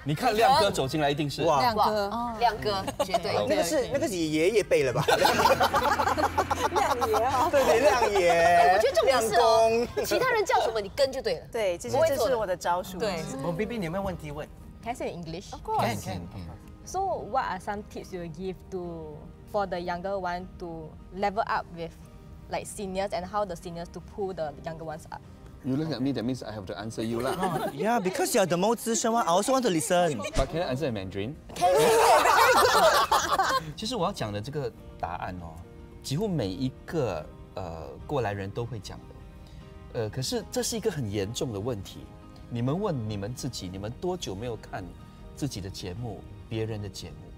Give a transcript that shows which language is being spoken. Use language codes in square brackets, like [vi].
[zh] 你看亮哥走进来一定是亮哥，亮哥绝对，那个是那个是爷爷辈了吧？亮爷啊，对对，亮爷。我觉得重点是其他人叫什么你跟就对了，对，这是我的招数。对，我 BB， 你有没有问题问 [en] ？Can say English？ Of course， can。 So what are some tips you give to？ For the younger one to level up with like seniors and how the seniors to pull the younger ones up. You look at me, that means I have to answer you lah. Yeah, because you are the most 资深 one, I also want to listen. But can I answer in Mandarin? Can. [zh] 其实我要讲的这个答案哦，几乎每一个过来人都会讲的。可是这是一个很严重的问题。你们问你们自己，你们多久没有看自己的节目，别人的节目？